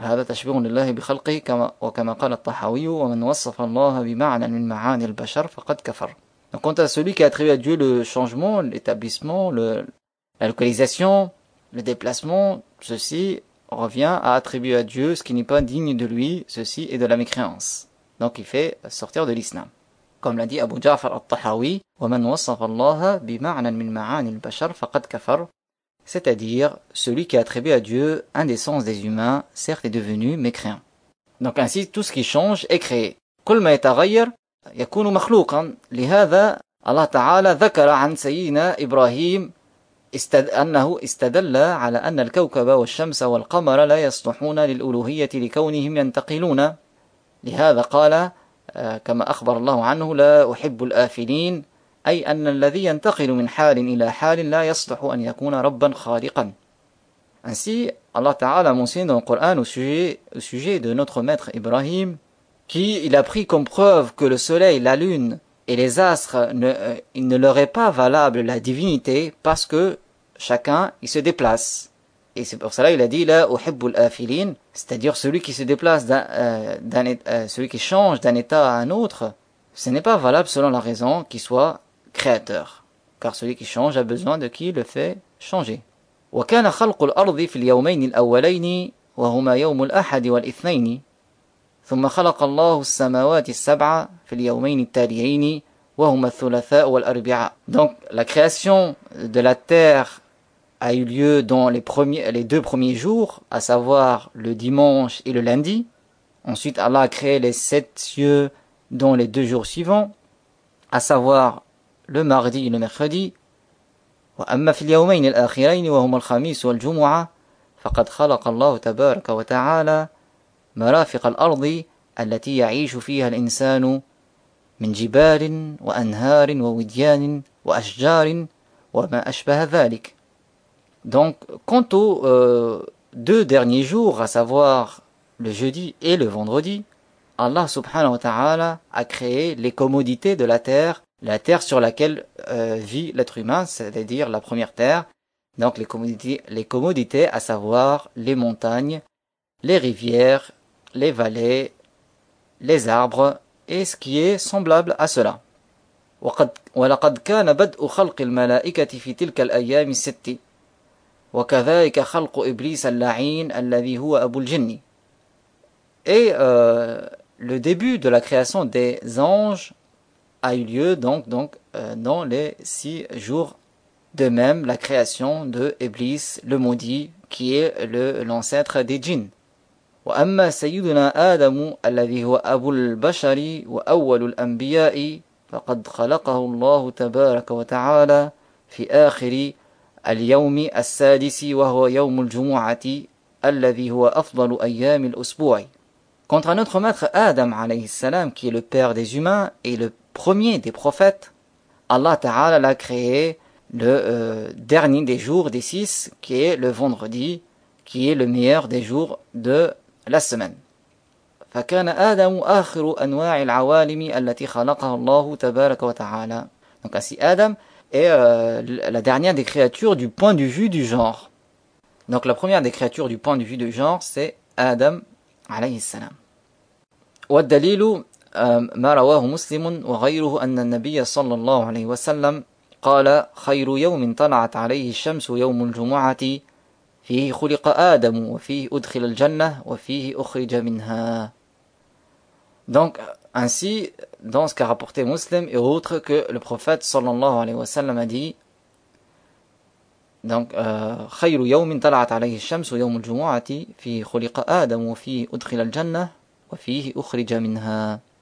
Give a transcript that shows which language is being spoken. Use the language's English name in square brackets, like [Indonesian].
[Arabic] هذا تشبيه لله بخلقه كما وكما قال الطحاوي ومن وصف الله بمعنى من معاني البشر فقد كفر. [French] Donc quant à celui qui attribue à Dieu le changement, l'établissement, la localisation, le déplacement, ceci revient à attribuer à Dieu ce qui n'est pas digne de lui, ceci est de la mécréance. Donc il fait sortir de l'islam. Comme l'a dit Abu Ja'far al-Tahawi, « [Arabic] وَمَنْ وَصَّفَ اللَّهَ بِمَعْنًا مِنْ مَعَانِ الْبَشَرْ فَقَدْ كَفَرْ [French] » C'est-à-dire, celui qui attribue à Dieu un des sens des humains, certes est devenu mécréant. Donc ainsi, tout ce qui change est créé. [Arabic] « كُلْ مَا يَتَغَيَّرْ يَكُونُ مَخْلُوقًا » لهذا, Allah Ta'ala ذَكَرَ عَنْ سَيِّنَا إِبْرَاهِيمِ أنه استدل على أن الكوكب والشمس والقمر لا يصلحون للألوهية لكونهم ينتقلون لهذا قال كما أخبر الله عنه لا أحب الآفلين أي أن الذي ينتقل من حال إلى حال لا يصلح أن يكون ربا خالقا. [French] Ainsi, Allah Ta'ala mentionne dans le Coran au sujet de notre maître Ibrahim qui il a pris comme preuve que le soleil, la lune et les astres, il ne leur est pas valable la divinité parce que chacun, il se déplace. Et c'est pour cela qu'il a dit « [Arabic] La uhibbu al-afilin [French] », c'est-à-dire celui qui se déplace, celui qui change d'un état à un autre, ce n'est pas valable selon la raison qu'il soit créateur. Car celui qui change a besoin de qui le fait changer. [Arabic] « Wa kana khalqu al-ardi fil yawmayni al-awwalayni, wa huma yawmul ahadi wal-ithnayni » ثم خلق الله السماوات السبع في اليومين التاليين وهما الثلاثاء والأربعاء. [French] Donc la création de la terre a eu lieu dans les deux premiers jours, à savoir le dimanche et le lundi. Ensuite Allah a créé les sept cieux dans les deux jours suivants, à savoir le mardi et le mercredi. [Arabic] وأما في اليومين الآخرين وهما الخميس والجمعة فقد خلق الله تبارك وتعالى مرافق الأرض التي يعيش فيها الإنسان من جبال وأنهار ووديان وأشجار وما أشبه ذلك. [French] Donc, quant aux deux derniers jours, à savoir le jeudi et le vendredi, Allah subhanahu wa ta'ala a créé les commodités de la terre sur laquelle vit l'être humain, c'est-à-dire la première terre, donc les commodités, à savoir les montagnes, les rivières, les vallées, les arbres et ce qui est semblable à cela. [Arabic] وَلَقَدْ كَانَ بَدْءُ خَلْقِ الْمَلَائِكَةِ فِي تِلْكَ الْأَيَّامِ السِّتِّ وَكَذَلِكَ خَلْقُ إِبْلِيسَ اللَّعِينَ الَّذِي هُوَ أَبُو الْجِنِّ. [French] Et le début de la création des anges a eu lieu dans les six jours, de même la création de Iblis le maudit qui est l'ancêtre des djinns. [Arabic] وأما سيدنا آدم الذي هو أبو البشر وأول الأنبياء فقد خلقه الله تبارك وتعالى في آخر اليوم السادس وهو يوم الجمعة الذي هو أفضل أيام الأسبوع. [French] Quant à notre maître Adam [Arabic] عليه السلام [French] qui est le père des humains et le premier des prophètes, Allah Ta'ala l'a créé le dernier des jours des six qui est le vendredi qui est le meilleur des jours de la semaine. [Arabic] فكان آدم آخر أنواع العوالم التي خلقها الله تبارك وتعالى. [French] Donc ainsi Adam est la dernière des créatures du point de vue du genre. Donc la première des créatures du point de vue du genre c'est Adam [Arabic] عليه السلام. والدليل ما رواه مسلم وغيره أن النبي صلى الله عليه وسلم قال خير يوم طلعت عليه الشمس يوم الجمعة فيه خلق آدم وفيه أدخل الجنة وفيه أخرج منها. [French] Donc ainsi dans ce qu'a rapporté Muslim et autres que le prophète [Arabic] sallallahu alayhi wa sallam [French] a dit donc [Arabic] خير يوم طلعت عليه الشمس يوم الجمعة فيه خلق آدم وفيه أدخل الجنة وفيه أخرج منها.